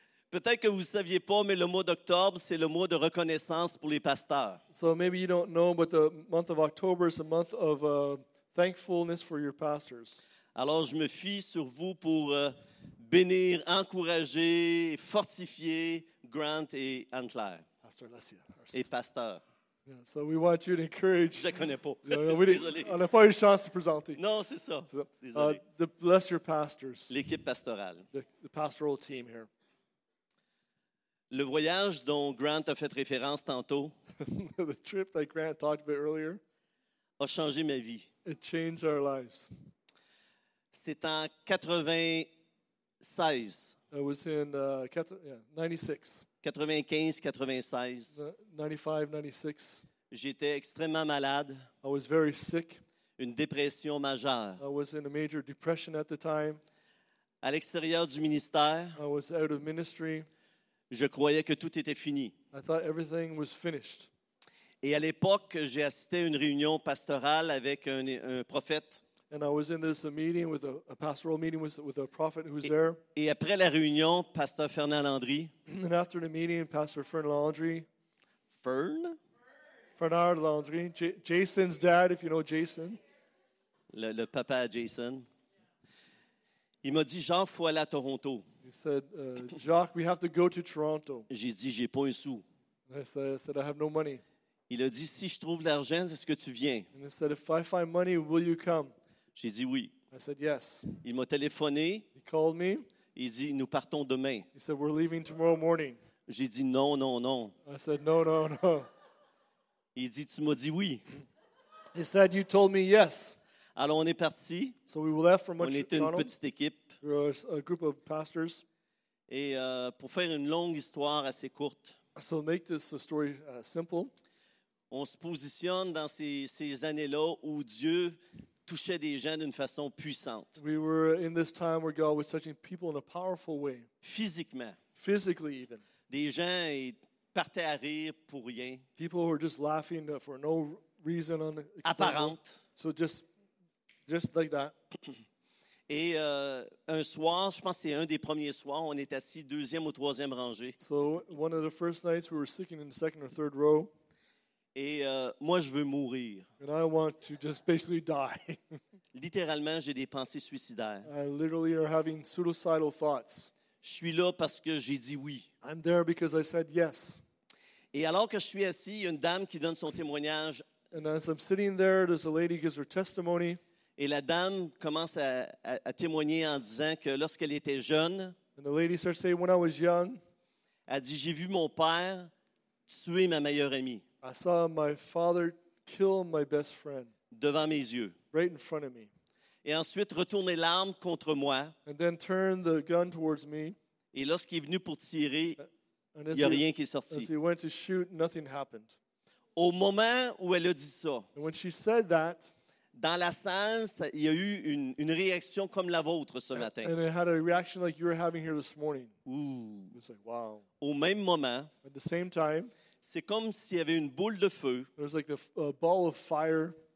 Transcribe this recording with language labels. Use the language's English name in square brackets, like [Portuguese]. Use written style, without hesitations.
[French] Peut-être que vous saviez pas, mais le mois d'octobre, c'est le mois de reconnaissance pour les pasteurs. [English] So maybe you don't know, but the month of October is a month of thankfulness for your pastors. [French] Alors, je me fie sur vous pour bénir, encourager, fortifier Grant et Anne-Claire. [English] Pastor Lassia. [French] Et pasteur. [English] Yeah, so we want you to encourage. [French] Je ne connais pas. On n'a pas eu de chance de présenter. Non, c'est ça. Désolé. [English] Bless your pastors. [French] L'équipe pastorale. [English] The pastoral team here. [French] Le voyage dont Grant a fait référence tantôt. [English] The trip that Grant talked about earlier. [French] A changé ma vie. [English] It changed our lives. [French] C'est en 96. [English] It was in 96. [French] 95-96. [English] 95-96. [French] J'étais extrêmement malade. [English] I was very sick. [French] Une dépression majeure. [English] I was in a major depression at the time. [French] À l'extérieur du ministère. [English] I was out of ministry. [French] Je croyais que tout était fini. [English] I thought everything was finished. [French] Et à l'époque, j'ai assisté à une réunion pastorale avec un prophète. [English] And I was in this meeting with a pastoral meeting with a prophet who was there. [French] Et après la réunion, Pasteur Fernand Landry. [English] And after the meeting, Pastor Fernand Landry. [French] Fernand [English] Landry, Jason's dad, if you know Jason. [French] Le papa Jason. Il m'a dit, Jacques, faut aller à Toronto. [English] He said, Jacques, we have to go to Toronto. [French] J'ai dit, j'ai pas un sou. [English] I said, I have no money. [French] Il a dit, si je trouve l'argent, est-ce que tu viens? [English] And he said, if I find money, will you come? [French] J'ai dit oui. [English] I said yes. [French] Il m'a téléphoné. [English] He called me. [French] Il dit nous partons demain. [English] He said we're leaving tomorrow morning. [French] J'ai dit non non non. [English] I said no no no. [French] Il dit tu m'as dit oui. [English] He said you told me yes. [French] Alors on est parti. [English] So we left for [French] on était une petite équipe. [English] We were a group of pastors. [French] Et pour faire une longue histoire assez courte. [English] So make this story simple. [French] On se positionne dans ces années-là où Dieu touchait des gens d'une façon puissante. [English] We were in this time where God was touching people in a powerful way. [French] Physiquement. [English] Physically even. [French] Des gens partaient à rire pour rien. [English] People were just laughing for no reason. [French] Apparente. [English] So just like that. [French] Et un soir, je pense que c'est un des premiers soirs, on est assis deuxième ou troisième rangée. [English] So one of the first nights we were sitting in the second or third row. [French] Et moi, je veux mourir. [English] And I want to just basically die. [French] Littéralement, j'ai des pensées suicidaires. [English] I literally are having suicidal thoughts. [French] Je suis là parce que j'ai dit oui. [English] I'm there because I said yes. [French] Et alors que je suis assis, il y a une dame qui donne son témoignage. [English] And as I'm sitting there, there's a lady who gives her testimony. [French] Et la dame commence à témoigner en disant que lorsqu'elle était jeune, [English] and the lady starts saying, when I was young, [French] elle dit, j'ai vu mon père tuer ma meilleure amie. [English] I saw my father kill my best friend. [French] Devant mes yeux. [English] Right in front of me. [French] Et ensuite retourner l'arme contre moi. [English] And then turn the gun towards me. [French] Et lorsqu'il est venu pour tirer, il n'y a rien qui est sorti. [English] As he went to shoot, nothing happened. [French] Au moment où elle a dit ça, [English] and when she said that, [French] dans la salle, il y a eu une réaction comme la vôtre ce matin. [English] And it had a reaction like you were having here this morning. Ooh. It's like, wow. [French] Au même moment, [English] at the same time, [French] c'est comme s'il y avait une boule de feu, [English] there was like a ball of fire